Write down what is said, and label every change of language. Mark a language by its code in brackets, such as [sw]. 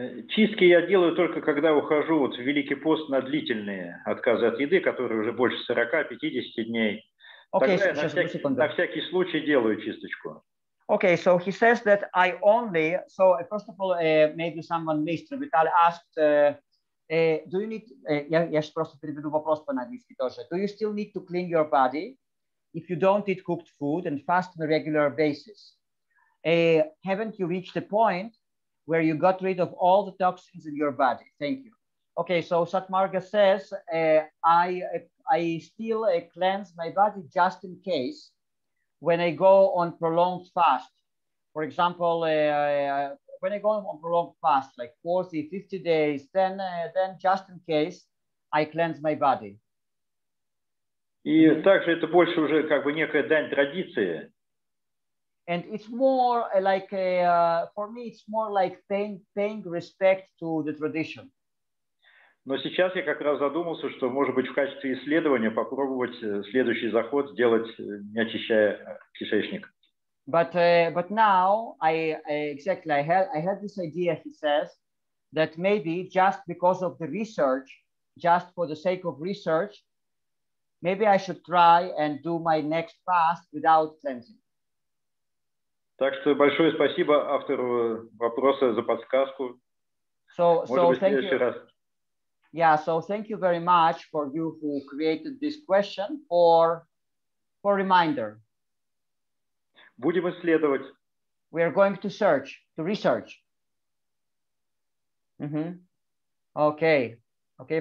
[ru] Чистки я делаю только, когда ухожу вот в Великий пост на длительные отказы от еды, которые уже больше 40-50 дней. [en] Okay, [ru] на всякий случай делаю чисточку. [en] Okay, so he says that I only... So, first of all, maybe someone missed. Vital asked, do you need... [ru] Я сейчас просто переведу вопрос по-английски тоже. [en] Do you still need to clean your body if you don't eat cooked food and fast on a regular basis? Haven't you reached the point where you got rid of all the toxins in your body? Thank you. Okay, so Satmarga says, I still cleanse my body just in case when I go on prolonged fast. For example, when I go on prolonged fast, like 40, 50 days, then just in case, I cleanse my body. [ru] И также это больше уже как бы некая дань традиции. [en] And it's more like for me, it's more like paying respect to the tradition. [ru] Но сейчас я как раз задумался, что, может быть, в качестве исследования попробовать следующий заход сделать, не очищая кишечник. [en] But now I had this idea. He says that maybe just because of the research, just for the sake of research, maybe I should try and do my next fast without cleansing. [ru] Так что большое спасибо автору вопроса за подсказку. [en] So thank you very much for you who created this question for reminder. [ru] Будем исследовать. [en] We are going to search, to research. Mm-hmm. Okay. Okay,